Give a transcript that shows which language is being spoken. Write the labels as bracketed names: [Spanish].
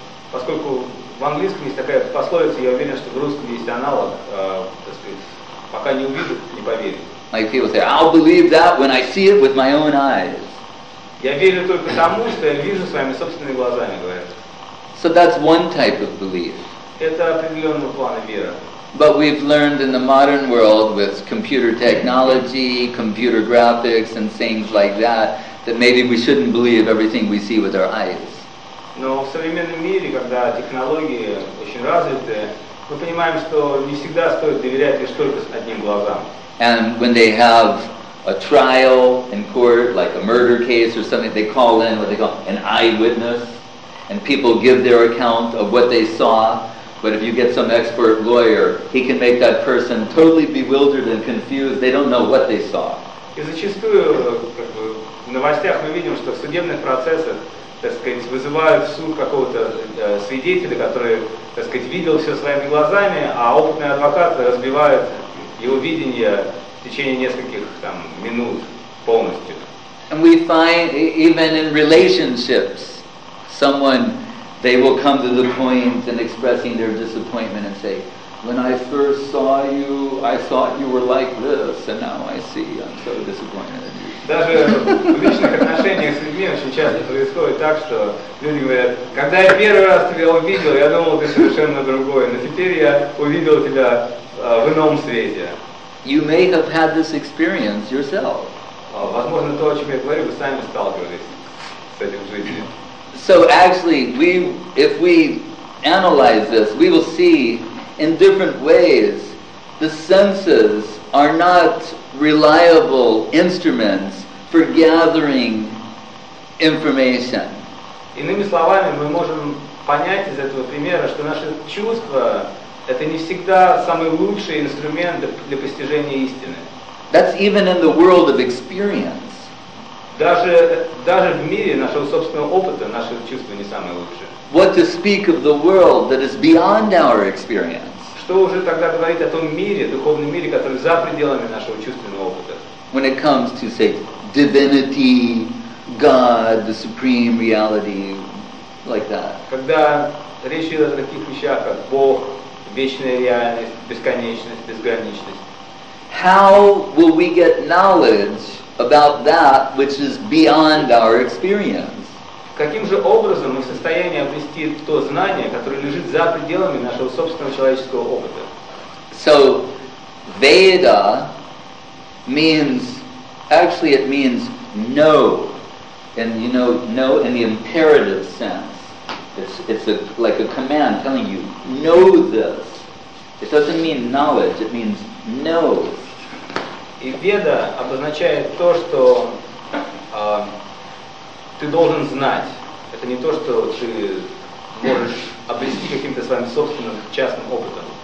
[Russian] Поскольку в английском есть такая пословица, я уверен, что в русском есть аналог, так сказать, пока не увижу, не поверю. [English] Like people say, I'll believe that when I see it with my own eyes. [Russian] Я верю только тому, что я вижу своими собственными глазами, говорят. [English] So that's one type of belief. [Russian] Это определенный план веры. [English] But we've learned in the modern world with computer technology, computer graphics and things like that, that maybe we shouldn't believe everything we see with our eyes. [Russian] Но в современном мире, когда технологии очень развиты, мы понимаем, что не всегда стоит доверять лишь только одним глазам. [English] And when they have a trial in court, like a murder case or something, they call in what they call an eyewitness, and people give their account of what they saw. But if you get some expert lawyer, he can make that person totally bewildered and confused. They don't know what they saw. [Russian] И зачастую, в новостях мы видим, что в судебных процессах так сказать, вызывают в суд какого-то свидетеля, который, так сказать, видел все своими глазами, а опытный адвокат разбивает его видение в течение нескольких там, минут полностью. [English] And we find, even in relationships, someone, they will come to the point in expressing their disappointment and say, when I first saw you, I thought you were like this, and now I see, I'm so disappointed. [Russian] Даже в личных отношениях с людьми очень часто происходит так, что люди говорят, когда я первый раз тебя увидел, я думал, ты совершенно другой, но теперь я увидел тебя в ином свете. [English] You may have had this experience yourself. [Russian] Возможно, то, о чем я говорю, вы сами сталкивались с этим в жизни. [English] So actually, if we analyze this, we will see in different ways the senses are not reliable instruments for gathering information. [Russian] Иными словами, мы можем понять из этого примера, что наши чувства это не всегда самый лучший инструмент для постижения истины. [English] That's even in the world of experience. [Russian] Даже в мире нашего собственного опыта наши чувства не самые лучшие. [English] What to speak of the world that is beyond our experience? [Russian] Что уже тогда говорить о том мире, духовном мире, который за пределами нашего чувственного опыта? [English] When it comes to, say, divinity, God, the supreme reality, like that. [Russian] Когда речь идет о таких вещах, как Бог, вечная реальность, бесконечность, безграничность. [English] How will we get knowledge about that which is beyond our experience? [Russian] Каким же образом мы в состоянии обрести то знание, которое лежит за пределами нашего собственного человеческого опыта? [English] So, Veda means Actually, it means no. And you know, no in the imperative sense. It's a, like a command telling you, know this. It doesn't mean knowledge, it means no. [Russian] И веда обозначает то, что ты должен знать. Это не то, что ты можешь обрести каким-то своим собственным частным опытом.